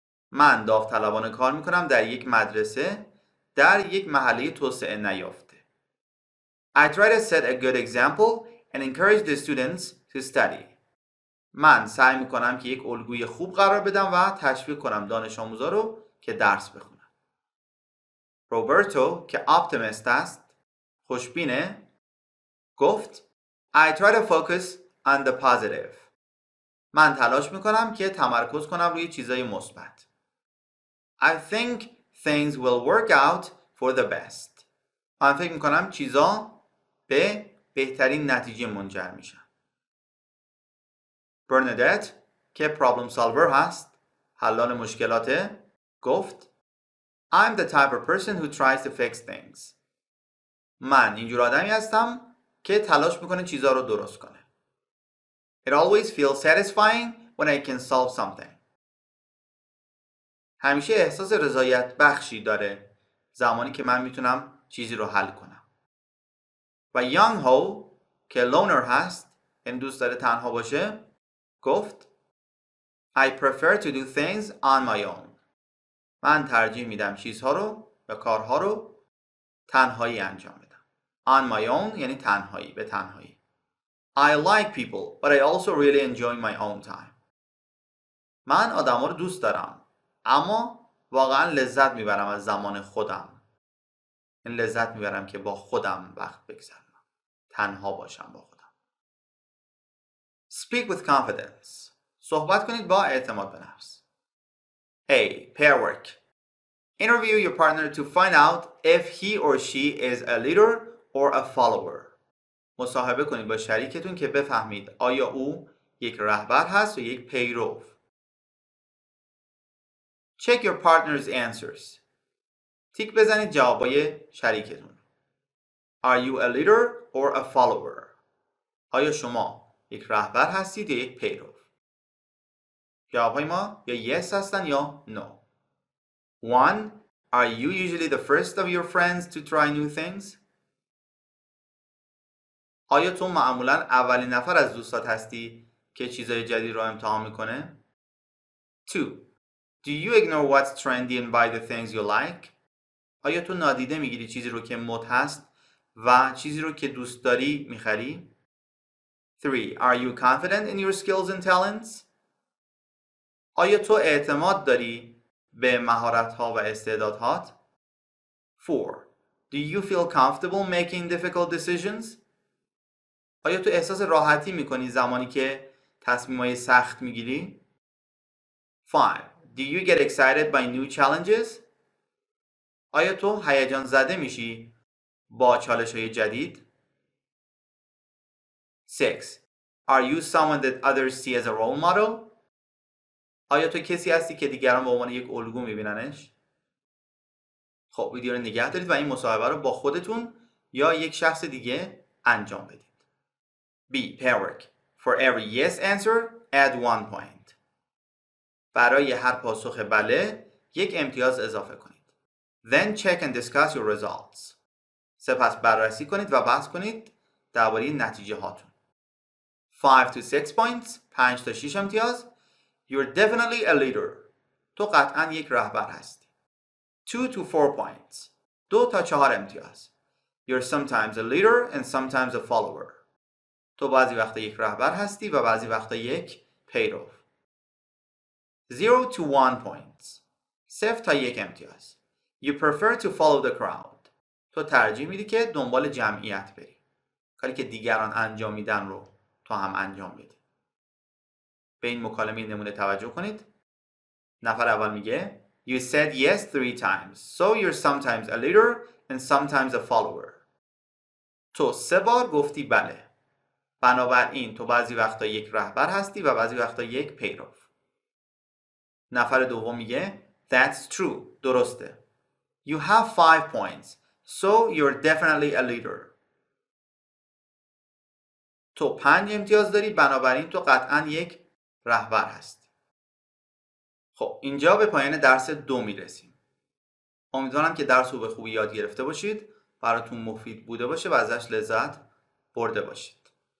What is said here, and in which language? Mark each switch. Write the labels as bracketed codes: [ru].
[fa] من داوطلبانه کار میکنم در یک مدرسه در یک محله توسعه نیافته. [en] I try to set a good example and encourage the students to study. [fa] من سعی میکنم که یک الگوی خوب قرار بدم و تشویق کنم دانش آموزا رو که درس بخونن. [en] Roberto, [fa] که [en] optimist [fa] است، خوشبینه، گفت [en] I try to focus on the positive. [fa] من تلاش میکنم که تمرکز کنم روی چیزای مثبت. [en] I think things will work out for the best. [fa] من فکر میکنم چیزا به بهترین نتیجه منجر میشن. [en] Bernadette, [fa] که [en] problem solver [fa] هست، حلال مشکلاته، گفت [en] I'm the type of person who tries to fix things. [fa] من اینجور آدمی هستم که تلاش میکنه چیزها رو درست کنه. [en] It always feels satisfying when I can solve something. [fa] همیشه احساس رضایت بخشی داره زمانی که من میتونم چیزی رو حل کنم. و Young Ho که loner هست، این دوست داره تنها باشه، گفت [en] I prefer to do things on my own. [fa] من ترجیح میدم چیزها رو و کارها رو تنهایی انجام بدم. [en] On my own [fa] یعنی تنهایی، به تنهایی. [en] I like people, but I also really enjoy my own time. [fa] من آدم ها رو دوست دارم، اما واقعا لذت میبرم از زمان خودم. این لذت میبرم که با خودم وقت بگذرم. تنها باشم با خودم. [en] Speak with confidence. [fa] صحبت کنید با اعتماد به نفس. [en] A. Pair work. Interview your partner to find out if he or she is a leader or a follower. [fa] مصاحبه کنید با شریکتون که بفهمید آیا او یک رهبر هست یا یک پیرو. [en] Check your partner's answers. [fa] تیک بزنید جوابای شریکتون. [en] Are you a leader or a follower? [fa] آیا شما یک رهبر هستید یا یک پیرو؟ جواب ما یا yes هستن یا no. 1. [en] Are you usually the first of your friends to try new things? [fa] آیا تو معمولا اولین نفر از دوستات هستی که چیزای جدید رو امتحان میکنه؟ 2. 2. [en] Do you ignore what's trendy and buy the things you like? [fa] آیا تو نادیده میگیری چیزی رو که مد هست و چیزی رو که دوست داری میخری؟ 3. [en] Are you confident in your skills and talents? [fa] آیا تو اعتماد داری به مهارت‌ها و استعدادهات؟ 4. [en] Do you feel comfortable making difficult decisions? [fa] آیا تو احساس راحتی میکنی زمانی که تصمیم‌های سخت میگیری؟ 5. [en] Do you get excited by new challenges? [fa] آیا تو هیجان زده میشی با چالش‌های جدید؟ 6. [en] Are you someone that others see as a role model? [fa] آیا تو کسی هستی که دیگران به عنوان یک الگو میبیننش؟ خب ویدیو رو نگه دارید و این مصاحبه رو با خودتون یا یک شخص دیگه انجام بدید. [en] B. Pair work. For every yes answer, add one point. [fa] برای هر پاسخ بله، یک امتیاز اضافه کنید. [en] Then check and discuss your results. [fa] سپس بررسی کنید و بحث کنید درباره نتیجه هاتون. [en] 5 to 6 points. [fa] 5 تا 6 امتیاز. [en] You're definitely a leader. [fa] تو قطعا یک رهبر هستی. [en] 2 to 4 points. [fa] 2 تا 4 امتیاز. [en] You're sometimes a leader and sometimes a follower. [fa] تو بعضی وقتا یک رهبر هستی و بعضی وقتا یک پیرو. [en] 0 to 1 points. [fa] 0 تا 1 امتیاز. [en] You prefer to follow the crowd. [fa] تو ترجیح میدی که دنبال جمعیت بری. کاری که دیگران انجام میدن رو تو هم انجام بدی. به این مکالمه نمونه توجه کنید. نفر اول میگه [en] You said yes 3 times, so you're sometimes a leader and sometimes a follower. [fa] تو 3 بار گفتی بله. بنابراین تو بعضی وقتا یک رهبر هستی و بعضی وقتا یک پیرو. نفر دوم میگه [en] That's true, [fa] درسته. [en] You have 5 points, so you're definitely a leader. [fa] تو 5 امتیاز داری، بنابراین تو قطعا یک رهبر هستی. خب اینجا به پایان درس 2 میرسیم. امیدوارم که درس رو به خوبی یاد گرفته باشید، براتون مفید بوده باشه و ازش لذت برده باشید.